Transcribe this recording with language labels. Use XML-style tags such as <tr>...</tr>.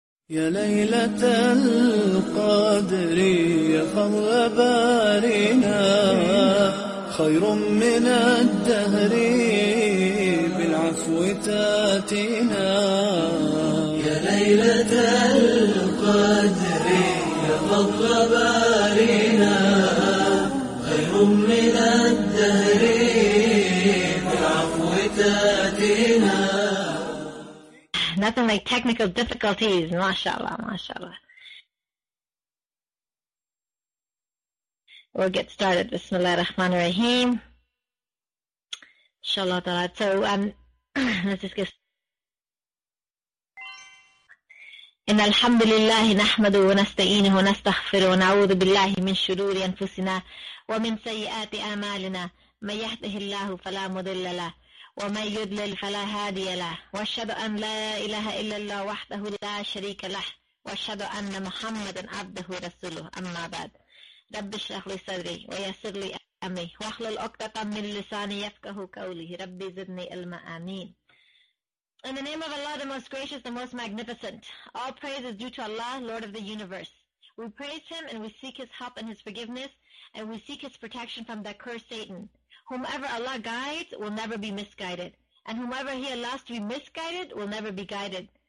<ar>يا ليلة القدر يا فضل بارنا خير من الدهر بالعفو تاتنا يا ليلة القدر يا فضل بارنا خير من الدهر بالعفو تاتنا.</ar> <en>Nothing like technical difficulties. MashaAllah, MashaAllah. We'll get started. Bismillah ar-Rahman ar-Rahim. Inshallah ta'ala. So, let's just get</en> <ar>إن الحمد لله نحمده ونستعينه ونستغفره ونعوذ بالله من شرور أنفسنا ومن سيئات أعمالنا. من يهده الله فلا مضل له ومن يضلل فلا هادي له واشهد ان لا اله الا الله وحده لا شريك له واشهد ان محمدا عبده ورسوله اما بعد رب اشرح لي صدري ويسر لي امري واحلل عقدة من لساني يفقهوا قولي ربي زدني علما امين.</ar> <en>In the name of Allah, the most gracious, the most magnificent, all praise is due to Allah, Lord of the universe. We praise Him and we seek His help and His forgiveness and we seek His protection from that cursed Satan. Whomever Allah guides will never be misguided. And whomever He allows to be misguided will never be guided.</en>